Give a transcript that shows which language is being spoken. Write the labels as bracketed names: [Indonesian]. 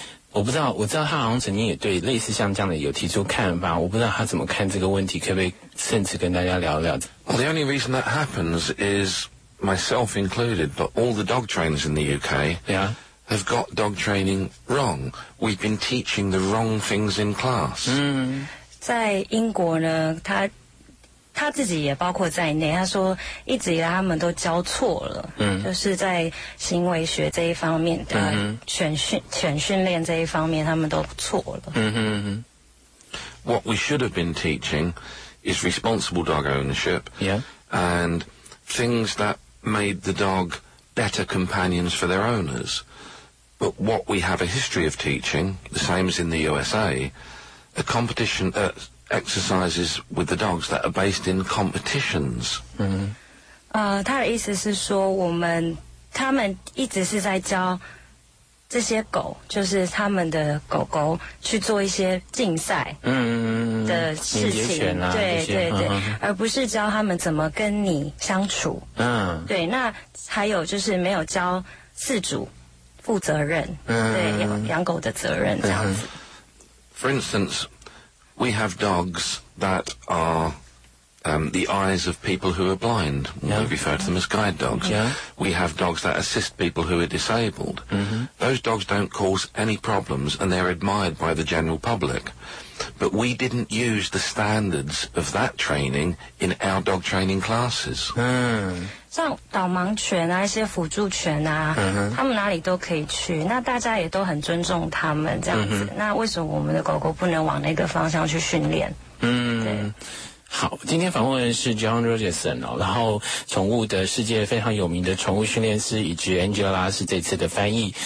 [Chinese] 我不知道，我知道他好像曾经也对类似像这样的有提出看法，我不知道他怎么看这个问题，可不可以甚至跟大家聊聊。 [English] Well, the only reason that happens is myself included, but all the dog trainers in the UK have got dog training wrong. We've been teaching the wrong things in class. [Chinese] 在英国呢，他自己也包括在内，他说一直以来他们都教错了，就是在行为学这一方面的犬训练这一方面他们都错了。 [English] What we should have been teaching is responsible dog ownership, and things that made the dog better companions for their owners. But what we have a history of teaching, the same as in the USA, a competition, exercises with the dogs that are based in competitions. [Chinese] 他的意思是说他们一直是在教这些狗，就是他们的狗狗去做一些竞赛的事情，对，而不是教他们怎么跟你相处。对，那还有就是没有教饲主负责任，对，养狗的责任这样子。 [English] For instance,We have dogs that are the eyes of people who are blind. We refer to them as guide dogs. We have dogs that assist people who are disabled. Those dogs don't cause any problems and they're admired by the general public. But we didn't use the standards of that training in our dog training classes. [Chinese] 像导盲犬啊，一些辅助犬啊，他们哪里都可以去，那大家也都很尊重他们这样子。那为什么我们的狗狗不能往那个方向去训练？好，今天访问的是 John Rogerson 哦，然后宠物的世界非常有名的宠物训练师以及 Angela 是这次的翻译。